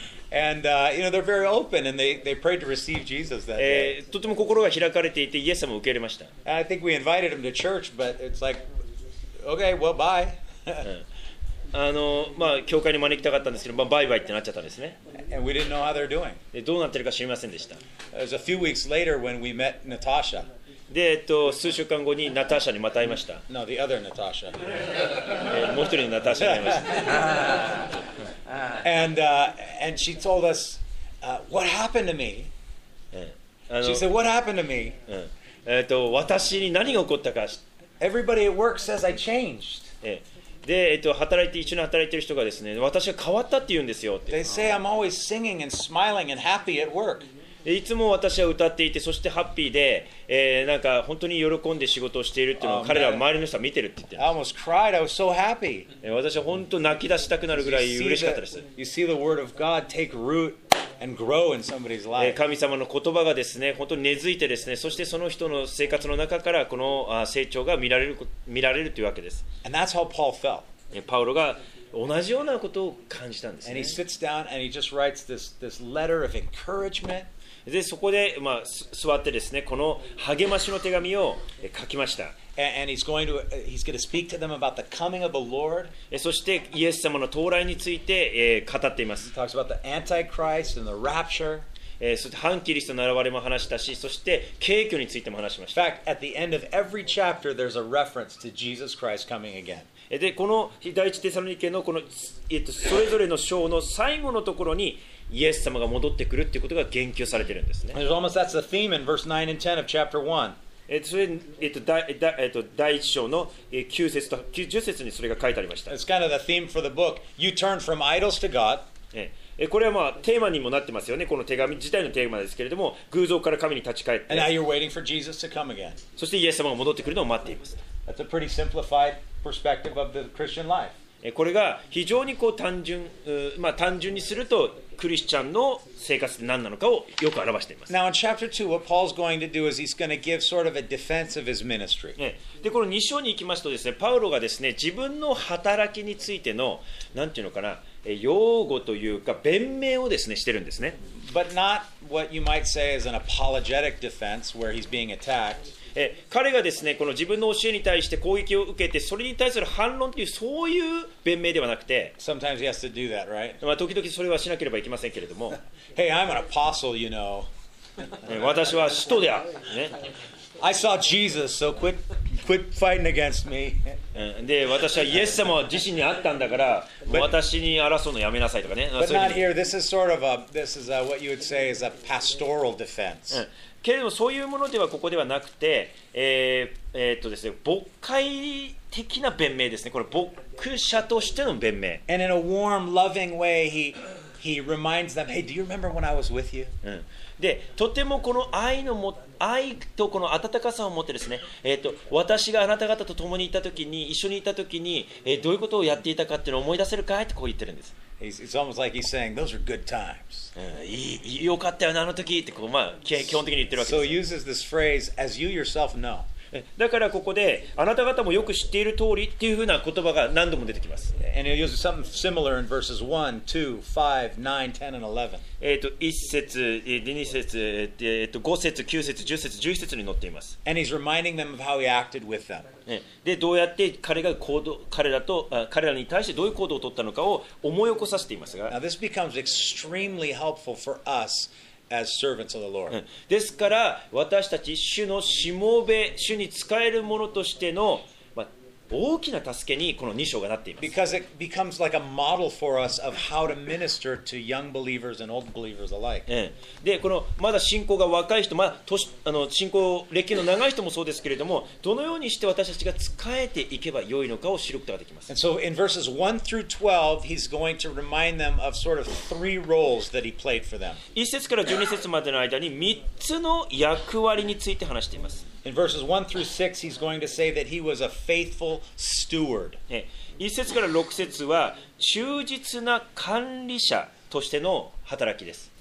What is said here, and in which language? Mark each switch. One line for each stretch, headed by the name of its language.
English: And you know they're very open and they prayed to receive Jesus that day.
Japanese: とても心が開かれていてイエス様を受け入れました。
English: I think we invited him to church, but it's like, okay, well, bye.
Japanese: まあ教会に招きたかったんですけど、まあバイバイってなっちゃったんですね。
English: And we didn't know how they're doing.
Japanese: どうなってるか知りませんでした。
English: It was a few weeks later when we met Natasha.
Japanese: で数週間後にナターシャにまた会いました。
English: No, the other Natasha.
Japanese: もう一人のナターシャに会いました。
English: and she told us, what happened to me? She said, what happened to me?
Japanese: 私に何が起こったか。
English: Everybody at work says I changed.
Japanese: で働いて一緒に働いている人がですね、私が変わったって言うんですよって。
English: They say I'm always singing and smiling and happy at work.
Japanese: いつも私は歌っていて、そしてハッピーで、なんか本当に喜んで仕事をしているっていうのを彼らは周りの人は見てるって言って。
English: I almost cried. I was so happy.
Japanese: 私は本当に泣き出したくなるぐらい嬉しかったです。
English: You see the word of God take root and grow in somebody's life.
Japanese: 神様の言葉がですね、本当に根付いてですね、そしてその人の生活の中からこの成長が見られるというわけです。
English: And that's how Paul felt.
Japanese: パウロが同じようなことを感じたんですね。
English: And he sits down and he just writes this letter of encouragement.
Japanese: でそこで、まあ、座ってですね、この励ましの手紙を書きました。
English: And he's going to speak to them about the coming of the Lord.
Japanese: そしてイエス様の到来について、語っています。
English: He talks about the Antichrist and the rapture.
Japanese: そして反キリストの現れも話したし、そして敬虚についても話しました。
English: In fact, at the end of every chapter, there's a reference to Jesus Christ coming again.
Japanese: でこの第一テサロニケのこの、それぞれの章の最後のところにイエス様が戻ってくるっていうことが言及されてるんですね。
English: It's almost that's the theme in verse 9 and 10 of chapter 1.
Japanese: 第1章の9節と10節にそれが書いてありました。
English: It's kind of the theme for the book. You turn from idols to God.
Japanese: これはまあテーマにもなってますよね。この手紙自体のテーマですけれども、偶像から神に立ち返って。
English: And now you're waiting for Jesus to come again.
Japanese: そしてイエス様が戻ってくるのを待っています。
English: That's a pretty simplified perspective of the Christian life.
Japanese: これが非常にこう単純、まあ、単純にするとクリスチャンの生活って何なのかをよく表しています。
English: Now in chapter 2, what Paul's going to do is he's going to give sort of a defense of his ministry.
Japanese: でこの2章に行きますとですね、パウロがですね、自分の働きについての、なんていうのかな、擁護というか弁明をですね、してるんですね。
English: But not what you might say is an apologetic defense where he's being attacked.
Japanese: 彼がですね、この自分の教えに対して攻撃を受けて、それに対する反論という、そういう弁明ではなくて、
English: Sometimes he has to do that, right?
Japanese: まあ、時々それはしなければいけませんけれども、
English: Hey, I'm an apostle, you know.
Japanese: 私は使徒である、ね。
English: I saw Jesus, so quit fighting against me.
Japanese: で、私はイエス様自身に会ったんだから、私に争うのやめなさいとかね。
English: But not here. This is sort of a, this is a, what you would say is a pastoral defense.
Japanese: けれどもそういうものではここではなくて、ですね、牧会的な弁明ですね。これ牧者としての弁明。
English: And in a warm, loving way, he reminds them, Hey, do you remember when I was with you?、
Japanese: うん、で、とてもこの愛のも愛とこの温かさを持ってですね、私があなた方と共にいたときに、一緒にいたときに、どういうことをやっていたかっていうのを思い出せるかいってこう言ってるんです。
English: It's almost like he's saying, those are good times.
Japanese: よかったよな、あの時ってこう、まあ、基本的に言ってるわけです。
English: So he uses this phrase, as you yourself know.
Japanese: だからここで、あなた方もよく知っている通りっていうふうな言葉が何度も出てきます。
English: And he uses something similar in verses 1, 2, 5, 9, 10, and 11.
Japanese: 1節、2節、5節、9節、10節、11節に載っています。
English: And he's reminding them of how he acted with them.
Japanese: でどうやって彼が行動 彼らに対してどういう行動を取ったのかを思い起こさせていますが。
English: Now this becomes extremely helpful for us as servants of the Lord.
Japanese: ですから私たち主のしもべ、主に仕えるものとしての、まあ、大きな助けにこの2章がなっています。
English: Because it becomes like a model for us of how to minister to young believers and old believers alike.
Japanese: でこのまだ信仰が若い人、まあ、信仰歴の長い人もそうですけれども、どのようにして私たちが仕えていけばよいのかを知ることができます。
English: And so in verses 1 through 12, he's going to remind them of sort of three roles that he played for them.
Japanese: 1節から12節までの間に3つの役割について話しています。
English: In verses 1 through 6, he's going to say that he was a faithful steward.
Japanese: 1節から6節は忠実な管理者としての働きです。